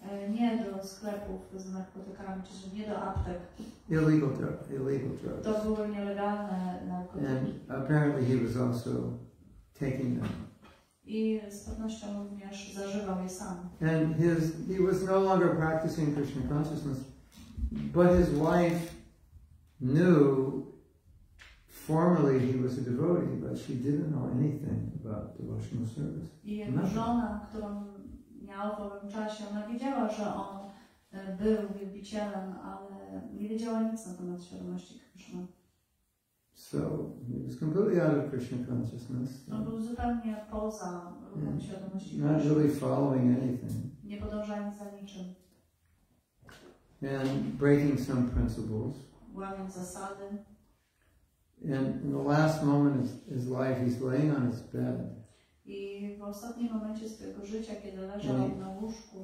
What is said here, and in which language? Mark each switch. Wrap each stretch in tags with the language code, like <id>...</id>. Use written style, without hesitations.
<pl>Nie do sklepów z narkotykami, czy nie do aptek.</pl> <en>Illegal drugs.</en> <pl>To były nielegalne narkotyki.</pl> <en>And apparently he was also taking them.</en> <pl>I z pewnością również zażywał je sam.</pl> <en>And he was no longer practicing Krishna consciousness, but his wife knew formerly he was a devotee, but she didn't know anything about devotional service.</en> <pl>I jego żona, którą miał w owym czasie, ona wiedziała, że on był wielbicielem, ale nie wiedziała nic na temat świadomości Krishna.</pl> <en>So, he was completely out of Krishna consciousness.</en> <pl>On był zupełnie poza świadomości Krishna.</pl> <en>Not really following anything.</en> <pl>Nie podążając za niczym.</pl> <en>And breaking some principles.</en> <pl>Łamiąc zasady.</pl> <en>And in the last moment of his life, he's laying on his bed.</en> <pl>I w ostatnim momencie swojego życia, kiedy leżał na łóżku,</pl>